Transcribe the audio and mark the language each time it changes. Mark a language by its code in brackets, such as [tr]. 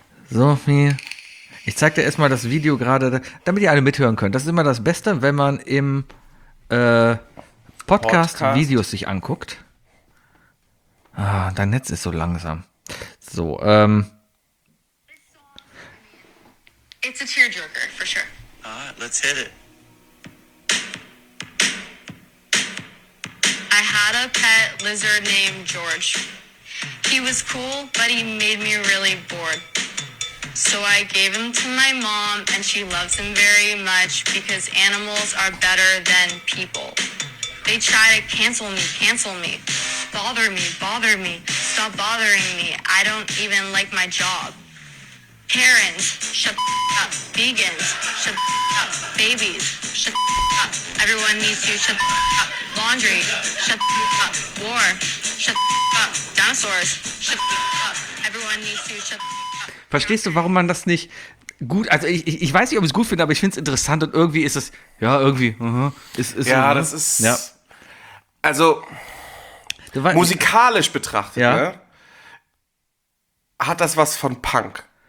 [de] Sophie. Ich zeig dir erstmal das Video gerade, damit ihr alle mithören könnt. Das ist immer das Beste, wenn man im Podcast Videos sich anguckt. Ah, dein Netz ist so langsam. So, [en] It's a tearjerker, for sure. Ah, let's hit it. I had a pet lizard named George. He was cool, but he made me really bored. So I gave him to my mom, and she loves him very much because animals are better than people. They try to cancel me. Bother me. Stop bothering me. I don't even like my job. Parents, shut the up. Vegans, shut the up. Babies, shut the up. Everyone needs to shut the up. Laundry, shut the up. War, shut the up. Dinosaurs, shut the up. Everyone needs to shut the up. [de] Verstehst du, warum man das nicht gut, also ich weiß nicht, ob ich es gut finde, aber ich finde es interessant und irgendwie ist es, ja, irgendwie, ist ja, das ist, ja. Also, musikalisch betrachtet, ja. Ne, hat das was von Punk.